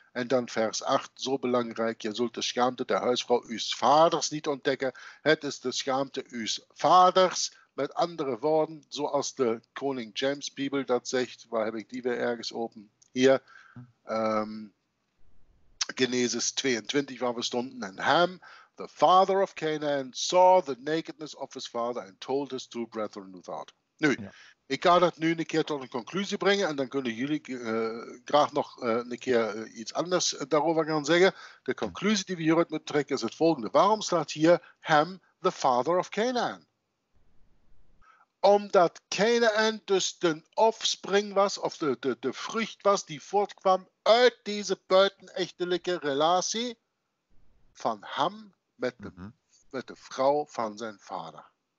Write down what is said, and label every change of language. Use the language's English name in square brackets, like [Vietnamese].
[Dutch] En dan vers 8, zo belangrijk. Je zult de schaamte der huisvrouw uws vaders niet ontdekken. Het is de schaamte uws vaders. Met andere woorden, zoals de koning James Bibel dat zegt. Waar heb ik die weer ergens open? Hier. Genesis 22, waar we stonden. [English] En Ham, the father of Canaan, saw the nakedness of his father and told his two brethren who thought. [Dutch] Nu, ja. Ik ga dat nu een keer tot een conclusie brengen en dan kunnen jullie graag nog een keer iets anders daarover gaan zeggen. De conclusie die we hieruit moeten trekken is het volgende. Waarom staat hier Ham, [English] the father of Canaan? [Dutch] Omdat Canaan dus de offspring was, of de vrucht was die voortkwam uit deze buitenechtelijke relatie van Ham met de vrouw van zijn vader.